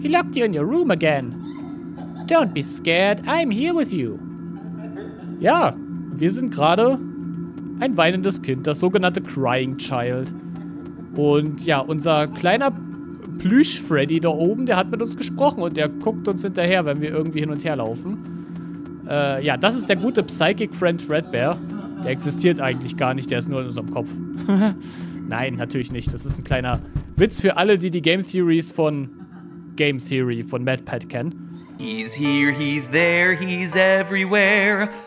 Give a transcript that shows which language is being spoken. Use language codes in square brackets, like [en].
[en] He locked you in your room again. Don't be scared, I'm here with you. [de] Ja, wir sind gerade ein weinendes Kind, das sogenannte Crying Child. Und ja, unser kleiner... Plüsch-Freddy da oben, der hat mit uns gesprochen und der guckt uns hinterher, wenn wir irgendwie hin und her laufen. Ja, das ist der gute Psychic-Friend Fredbear. Der existiert eigentlich gar nicht, der ist nur in unserem Kopf. Nein, natürlich nicht. Das ist ein kleiner Witz für alle, die die Game Theories von Game Theory von MadPad kennen. [en] He's here, he's there, he's everywhere.